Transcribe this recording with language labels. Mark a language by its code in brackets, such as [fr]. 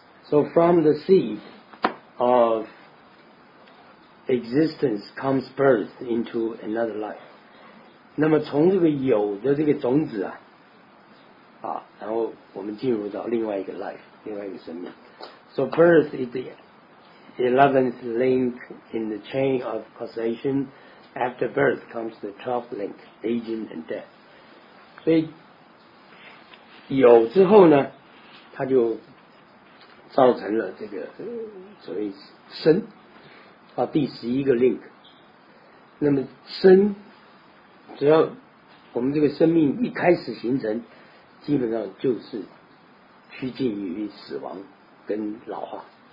[en] So from the seed of existence comes birth into another life. [zh] 那么从这个有的这个种子啊，啊，然后我们进入到另外一个 life， 另外一个生命。 [en] So birth is the 11th link in the chain of causation. After birth comes the 12th link, aging and death. [zh] 所以有之后呢，它就造成了这个所谓生啊，第十一个 link。那么生，只要我们这个生命一开始形成，基本上就是趋近于死亡跟老化。